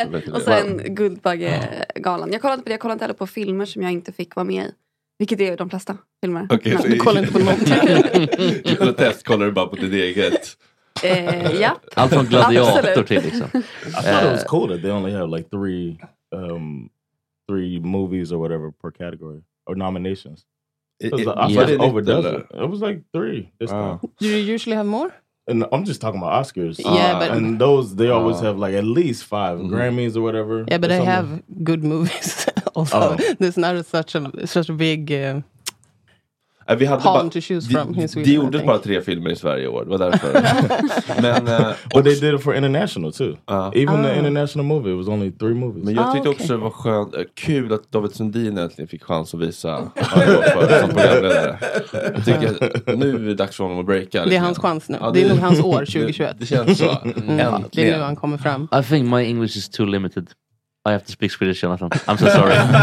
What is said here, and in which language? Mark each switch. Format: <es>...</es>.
<sv>och sen Guldbaggegalan. Jag kollade inte på det. Jag kollade inte heller på filmer som jag inte fick vara med i. Vilket är de flesta filmer.</sv> <en>Okay,</en> <sv>du kollar inte på någonting. I protest kollar du bara på ditt eget...</sv> <en>Yeah.</en> <sv>Allt från gladiator till liksom.</sv> <en>I thought it was cool that they only have like three movies or whatever per category or nominations. It was like three. Do you usually have more? And I'm just talking about Oscars. Yeah, but and those they always have like at least five Grammys or whatever. Yeah, but they have good movies also. There's not such a big</en> <sv>vi hade palm bara,</sv> <en>to choose from.</en> <sv>De gjorde bara tre filmer i Sverige i år. Det var därför. Men,</sv> <en>but they did it for international too. Even the international movie, it was only three movies.</en> <sv>Men jag tyckte också det var skönt, kul att David Sundin äntligen fick chans att visa vad han var för. Jag tycker att nu är det dags för honom att breaka. Det är hans chans nu. Ja, det är nog hans år 2021. Det känns så. Det är nu han kommer fram.</sv> <en>I think my English is too limited. I have to speak Swedish, Jonathan. I'm so sorry.</en>